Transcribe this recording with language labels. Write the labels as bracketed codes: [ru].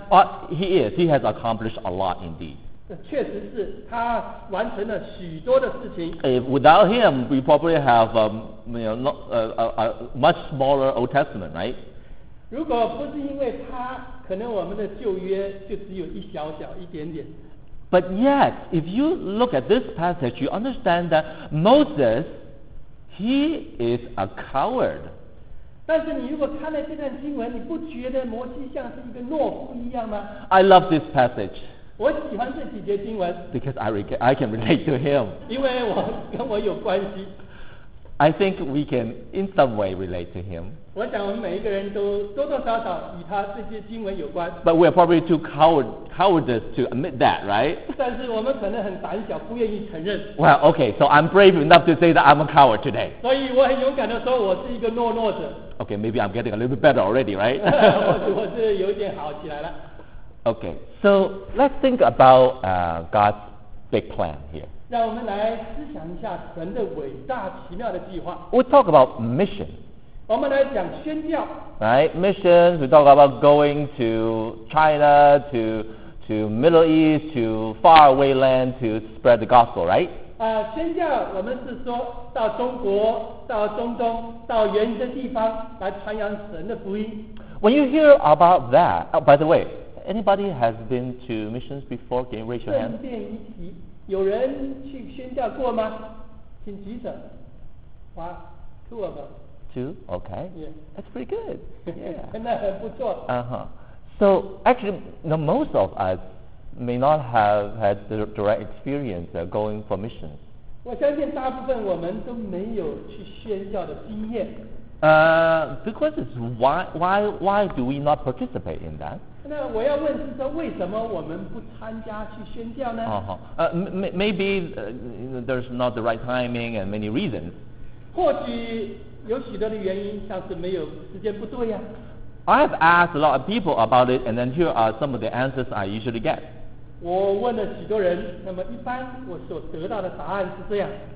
[en] But he is. He has accomplished a lot indeed. [zh] 确实是他完成了许多的事情。 [en] If without him, we probably have a much smaller Old Testament, right? [zh] 如果不是因为他，可能我们的旧约就只有一小小一点点。 [en] But yet, if you look at this passage, you understand that Moses, he is a coward. [zh] 但是你如果看了这段经文，你不觉得摩西像是一个懦夫一样吗？ [en] I love this passage. [zh] 我喜欢这几节经文。 [en] Because I can relate to him. [zh] 因为我跟我有关系。 [en] I think we can in some way relate to him. [zh] 我想我们每一个人都多多少少与他这些经文有关。 [en] But we are probably too cowardice to admit that, right? [zh] 但是我们可能很胆小，不愿意承认。 [en] Well, okay, so I'm brave enough to say that I'm a coward today. [zh] 所以我很勇敢地说我是一个懦弱者。 [en] Okay, maybe I'm getting a little bit better already, right? [zh] 我是有点好起来了。 [en] Okay, so let's think about God's big plan here. [zh] 让我们来思想一下神的伟大奇妙的计划。 [en] We'll talk about mission. [zh] 我们来讲宣教。 [en] Right, missions. We talk about going to China, to Middle East, to faraway land to spread the gospel, right? [zh] 宣教我们是说到中国、到中东、到远的地方来传扬神的福音。 [en] When you hear about that,、oh, by the way, anybody has been to missions before? Can you raise your hand? [zh] 顺便一提。有人去宣教过吗？请举手。 [en] 哇 ，two of them. Two, okay. Yeah, that's pretty good. Yeah, [zh] 那很不错。 Uh-huh. [en] So actually, the most of us may not have had the direct experience of going for missions. [zh] 我相信大部分我们都没有去宣教的经验。 [en] The question is why do we not participate in that? [zh] 那我要问是说为什么我们不参加去宣教呢？ [en] Maybe there's not the right timing and many reasons. [zh] 或许有许多的原因，像是没有时间不对呀。 [en] I have asked a lot of people about it, and then here are some of the answers I usually get. [zh] 我问了许多人，那么一般我所得到的答案是这样。